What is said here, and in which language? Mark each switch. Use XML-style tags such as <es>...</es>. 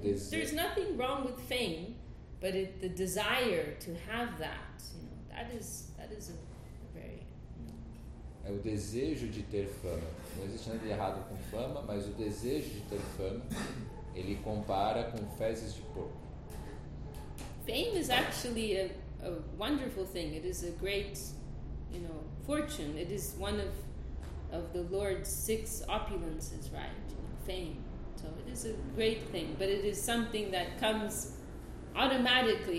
<en>There's nothing wrong with fame, but the desire to have that, that is a very,</en> <pt>é o desejo de ter fama. Não existe nada de errado com fama, mas o desejo de ter fama, ele compara com fezes de porco.</pt> <en>Fame is actually a wonderful thing. It is a great, fortune. It is one of the Lord's six opulences, right? Fame. So it is a great thing, but it is something that comes automatically.</en>